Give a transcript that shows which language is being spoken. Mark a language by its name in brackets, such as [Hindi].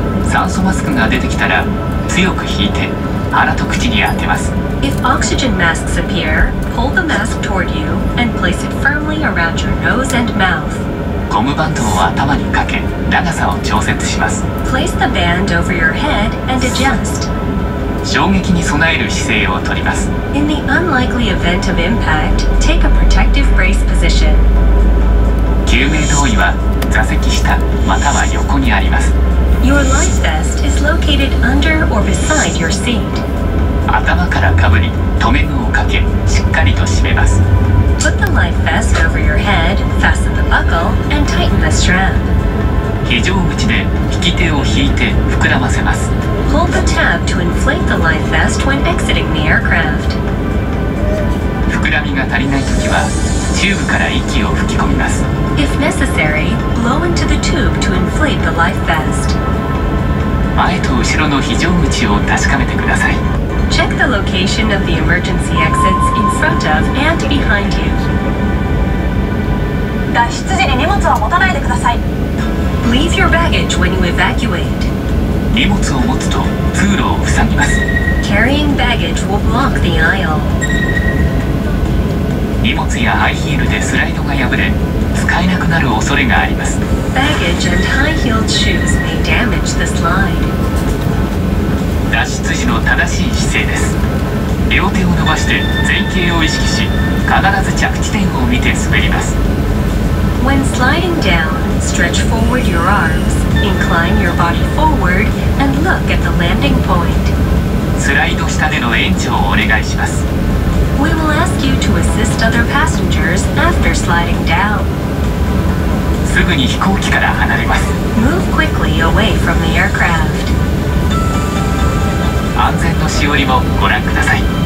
[Japanese] 酸素マスクが出てきたら強く引いて鼻と口に当てます。 [English] If oxygen masks appear, pull the mask toward you and place it firmly around your nose and mouth. [Japanese] ゴムバンドを頭にかけ、長さを調節します。 [English] Place the band over your head and adjust. [Japanese] 衝撃に備える姿勢をとります。 [English] In the unlikely event of impact, take a protective brace position. [Japanese] 救命胴衣は座席下または横にあります。 [English] Your life vest is located under or beside your seat. [Japanese] 頭からかぶり、留め具をかけ、しっかりと締めます。 [English] Put the life vest over your head, fasten the buckle, and tighten the strap. [Japanese] 非常口で引き手を引いて膨らませます。 [English] Hold the tab to inflate the life vest when exiting the aircraft. [Japanese] 膨らみが足りないときは、チューブから息を吹き込みます。 [English] If necessary, blow into the tube to inflate the life vest. [Japanese] 前と後ろの非常口を確かめてください。 [English] Check the location of the emergency exits in front of and behind you. [Japanese] 脱出時に荷物は持たないでください。 [English] Leave your baggage when you evacuate. [Japanese] 荷物を持つと通路を塞ぎます。 [English] Carrying baggage will block the aisle. [Japanese] 荷物やハイヒールでスライドが破れ、使えなくなる恐れがあります。 [English] Baggage and high-heeled shoes may damage the slide. [Japanese] 脱出時の正しい姿勢です。両手を伸ばして前傾を意識し、必ず着地点を見て滑ります。 [English] When sliding down, stretch forward your arms, incline your body forward, and look at the landing point. [Japanese] スライド下での援助をお願いします。 [English] We will ask you to assist other passengers after sliding down. [Japanese] すぐに飛行機から離れます。 [English] Move quickly away from the aircraft. [Japanese] 安全のしおりもご覧ください。